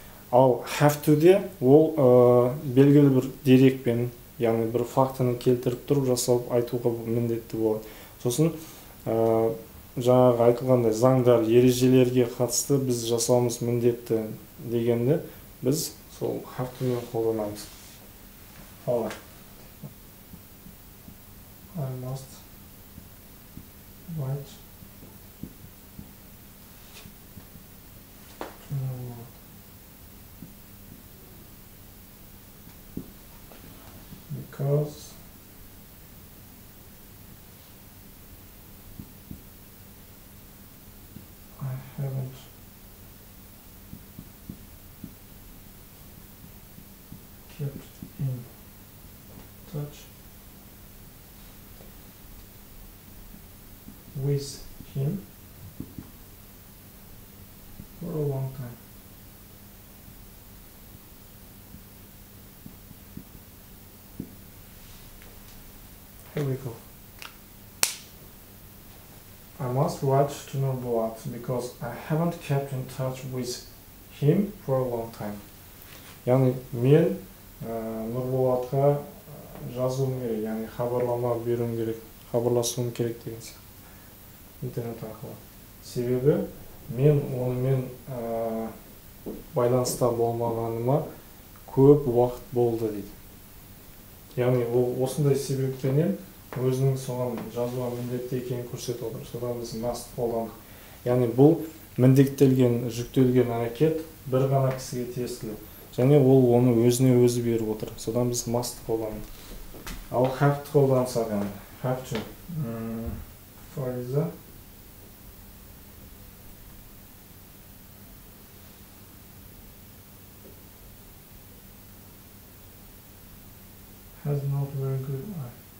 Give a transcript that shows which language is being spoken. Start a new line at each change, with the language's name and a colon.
Kazakh: Ал have to-де ол белгілі бір дерекпен, яғни бір фактыны келтіріп тұрып жасалып айтуға міндетті болады. Сосын жаңағы айтылғандай заңдар, ережелерге қатысты біз жасауымыз міндетті дегенді біз сол have to-мен қолданамыз. Ал
English: I must write. Because I haven't kept in touch with him for a long time. Here we go. I must write to Nurbulat because I haven't kept in touch with him for a long time.
Kazakh: Яғни мен Нурбулатқа жазуым керек, яғни хабарлама беруім керек, хабарласуым керек деген сияқты интернет арқылы. Себебі мен онымен байланыста болмағаныма көп уақыт болды дейді. Яғни ол осындай себептен өзінің соған жазуға міндетті екенін көрсетіп отыр. Содан біз must қолдандық. Яғни бұл міндеттелген, жүктелген әрекет бір ғана кісіге тиесілі. Және ол оны өзіне өзі беріп отыр. Содан біз must қолдандық. Ал
English: have to
Kazakh: қолдансақ, яғни
English: have to. For has not very good eye.